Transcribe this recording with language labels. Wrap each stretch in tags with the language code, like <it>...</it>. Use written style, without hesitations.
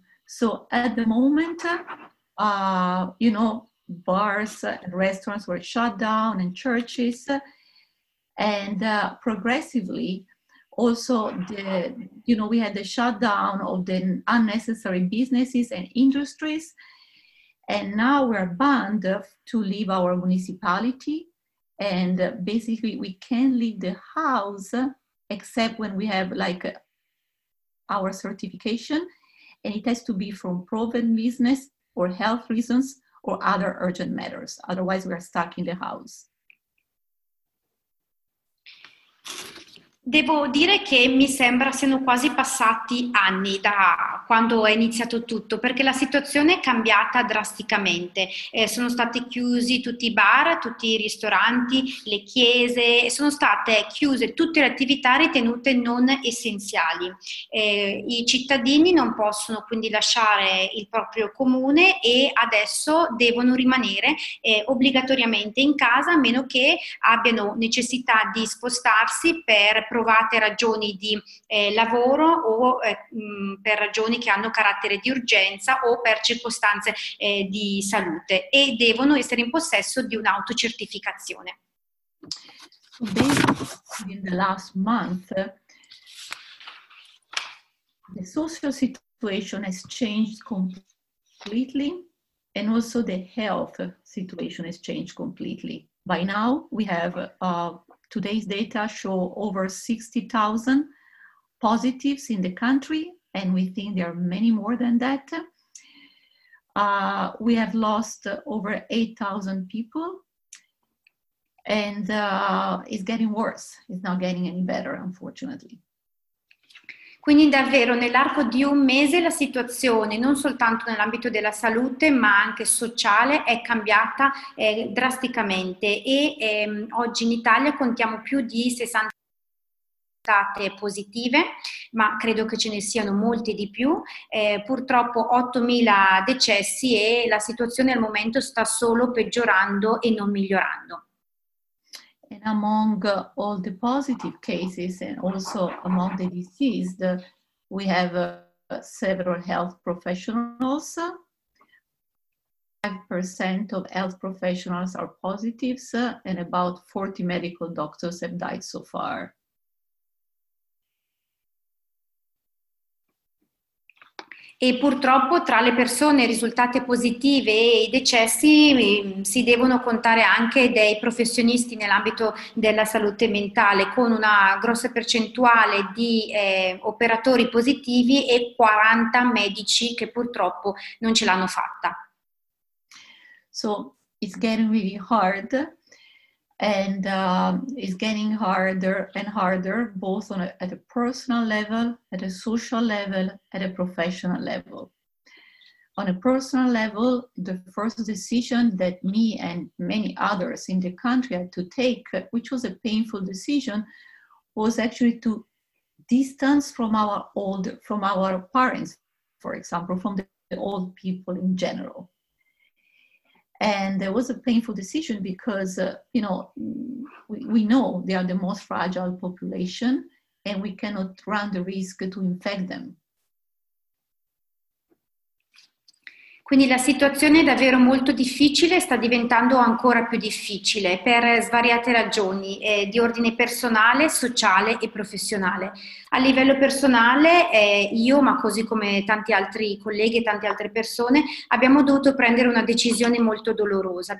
<en>So at the moment, bars and restaurants were shut down and churches, and progressively also we had the shutdown of the unnecessary businesses and industries, and now we're banned to leave our municipality, and basically we can't leave the house except when we have like our certification, and it has to be from proven business or health reasons or other urgent matters. Otherwise, we are stuck in the house.</en> <it>Devo dire che mi sembra siano quasi passati anni da quando è iniziato tutto, perché la situazione è cambiata drasticamente. Sono stati chiusi tutti i bar, tutti i ristoranti, le chiese, sono state chiuse tutte le attività ritenute non essenziali. I cittadini non possono quindi lasciare il proprio comune e adesso devono rimanere obbligatoriamente in casa, a meno che abbiano necessità di spostarsi per provate ragioni di lavoro o per ragioni che hanno carattere di urgenza o per circostanze di salute, e devono essere in possesso di un'autocertificazione.</it> <en>In the last month, the social situation has changed completely, and also the health situation has changed completely. By now, we have today's data show over 60,000 positives in the country, and we think there are many more than that. We have lost over 8,000 people, and it's getting worse. It's not getting any better, unfortunately.</en> <it>Quindi davvero nell'arco di un mese la situazione, non soltanto nell'ambito della salute ma anche sociale, è cambiata drasticamente, e oggi in Italia contiamo più di 60 state positive, ma credo che ce ne siano molti di più. Purtroppo 8.000 decessi, e la situazione al momento sta solo peggiorando e non migliorando.</it> <en>And among all the positive cases and also among the deceased, we have several health professionals. 5% of health professionals are positives, and about 40 medical doctors have died so far.</en> <it>E purtroppo tra le persone risultate positive e i decessi si devono contare anche dei professionisti nell'ambito della salute mentale, con una grossa percentuale di operatori positivi e 40 medici che purtroppo non ce l'hanno fatta.</it> <en>So it's getting really hard, and it's getting harder and harder, both on at a personal level, at a social level, at a professional level. On a personal level, the first decision that me and many others in the country had to take, which was a painful decision, was actually to distance from our old, from our parents, for example, from the old people in general. And it was a painful decision because, you know, we know they are the most fragile population, and we cannot run the risk to infect them.</en> <it>Quindi la situazione è davvero molto difficile, sta diventando ancora più difficile per svariate ragioni di ordine personale, sociale e professionale. A livello personale io, ma così come tanti altri colleghi e tante altre persone, abbiamo dovuto prendere una decisione molto dolorosa.</it>